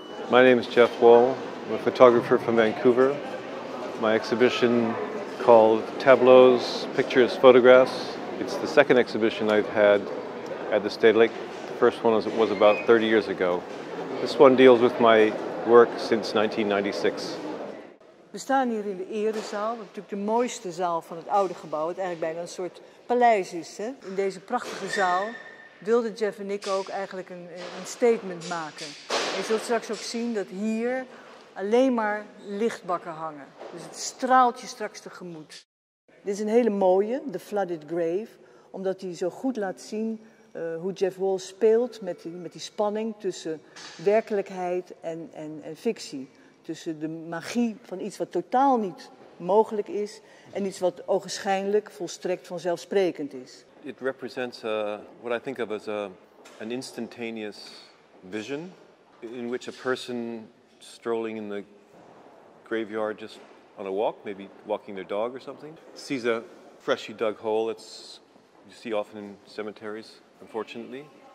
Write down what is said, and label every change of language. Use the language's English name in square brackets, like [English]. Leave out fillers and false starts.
[English] My name is Jeff Wall. I'm a photographer from Vancouver. My exhibition called TABLEAUX, Pictures, Photographs. It's the second exhibition I've had at the Stedelijk. The first one was about 30 years ago. This one deals with my work since 1996. [Dutch] We staan hier in de erezaal, natuurlijk de mooiste zaal van het oude gebouw, wat eigenlijk bijna een soort paleis is. Hè? In deze prachtige zaal wilden Jeff en ik ook eigenlijk een statement maken. En je zult straks ook zien dat hier alleen maar lichtbakken hangen. Dus het straalt je straks tegemoet. Dit is een hele mooie, The Flooded Grave, omdat hij zo goed laat zien hoe Jeff Wall speelt met die spanning tussen werkelijkheid en fictie. Tussen de magie van iets wat totaal niet mogelijk is en iets wat ogenschijnlijk volstrekt vanzelfsprekend is. [English] It represents what I think of as an instantaneous vision in which a person strolling in the graveyard just on a walk, maybe walking their dog or something, sees a freshly dug hole that you see often in cemeteries, unfortunately.